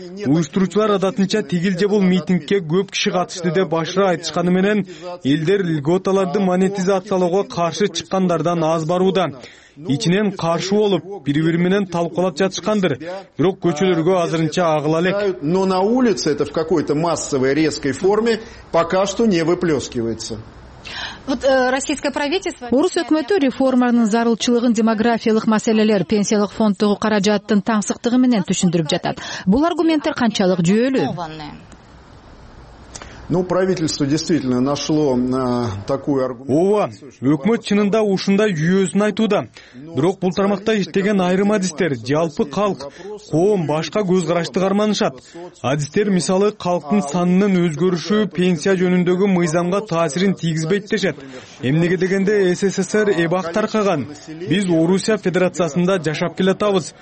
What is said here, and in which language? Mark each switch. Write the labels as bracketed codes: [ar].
[ky] Уюштуруучулар адатынча тигилже бул митингге көп киши катышты деп башыра айтышканы менен элдер льготаларды монетизациялоого каршы чыккандардан аз барууда. Ичинен каршы болуп бири бири менен талкуулап жатышкандыр, бирок көчөлөргө азырынча агыла элек. [ru] Но на улице это в какой-то массовой резкой форме пока что не выплескивается. Вот российское правительство. [ky] Орус өкмөтү реформанын зарылчылыгын демографиялык маселелер, пенсиялык фонддогу каражаттын таңсыктыгы менен түшүндүрүп жатат. Бул аргументтер канчалык жөөлүү? [ru] Ну, правительство действительно нашло такую аргументацию. [ky] Ооба, өкмөт чынында ушундай жүйөсүн айтууда. Бирок бул тармакта иштеген айрым адистер жалпы калк, коом башка көз карашты карманышат. Адистер мисалы калктын санынын өзгөрүшү пенсия жөнүндөгү мыйзамга таасирин тийгизбейт дешет. Эмнеге дегенде СССР эбак таркаган. Биз Орусия Федерациясында жашап келатабыз.